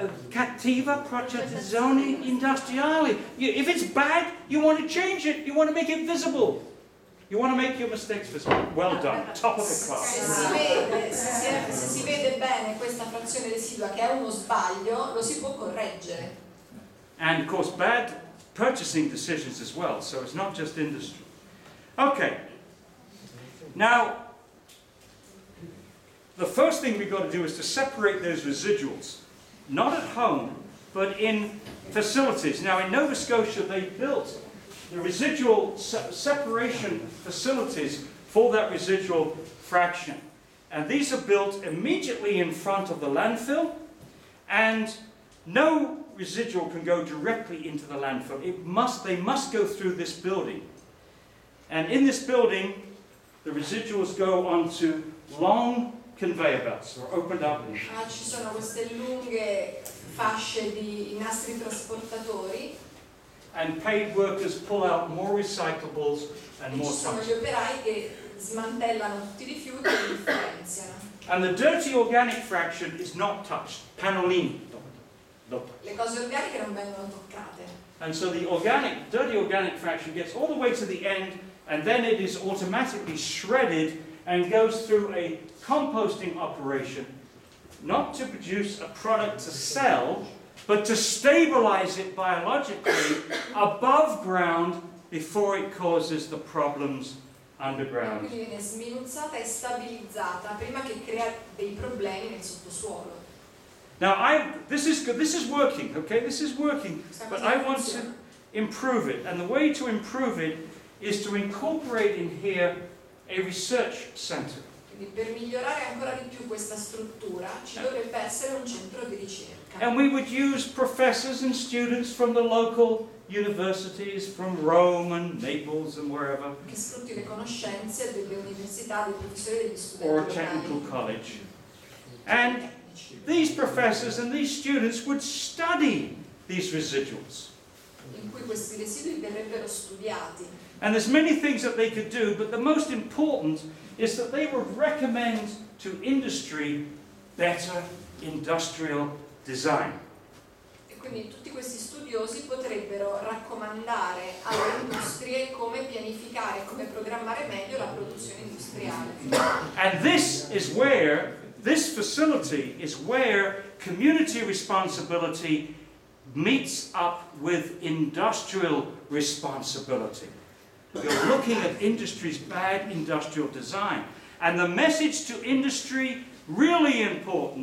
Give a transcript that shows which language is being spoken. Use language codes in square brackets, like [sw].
[it] cattiva progettazione industriale. [en] If it's bad, you want to change it. You want to make it visible. You want to make your mistakes visible. Well done, top of the class. [it] Se si vede bene questa frazione residua che è uno sbaglio, lo si può correggere. [en] And of course, bad purchasing decisions as well. So it's not just industry. Okay. Now, the first thing we've got to do is to separate those residuals, not at home, but in facilities. Now, in Nova Scotia, they built the residual separation facilities for that residual fraction. And these are built immediately in front of the landfill, and no residual can go directly into the landfill. They must go through this building. And in this building, the residuals go onto long conveyor belts or opened up. [it] Ci sono queste lunghe fasce di nastri trasportatori. [en] And paid workers pull out more recyclables and more toxins. [it] Sono gli operai che smantellano tutti i rifiuti e li differenziano. [en] And the dirty organic fraction is not touched. [it] Panolini. Le cose organiche non vengono toccate. [en] And so the organic, dirty organic fraction gets all the way to the end, and then it is automatically shredded and goes through a composting operation, not to produce a product to sell, but to stabilize it biologically above ground before it causes the problems underground. [it] Quindi viene sminuzzata e stabilizzata prima che crea dei problemi nel sottosuolo. [en] Now, this is working, but I want to improve it. And the way to improve it is to incorporate in here a research center. [it] Quindi per migliorare ancora di più questa struttura, ci dovrebbe essere un centro di ricerca. [en] And we would use professors and students from the local universities, from Rome and Naples and wherever. [it] Che sfrutti le conoscenze delle università, dei professori e degli studenti. [en] Or a technical college. And these professors and these students would study these residuals. [it] In cui questi residui verrebbero studiati. [en] And there's many things that they could do, but the most important is that they would recommend to industry better industrial design. [it] E quindi tutti questi studiosi potrebbero raccomandare alle industrie come pianificare, come programmare meglio la produzione industriale. [en] And this facility is where community responsibility meets up with industrial responsibility. You're looking at industry's bad industrial design. And the message to industry, really important.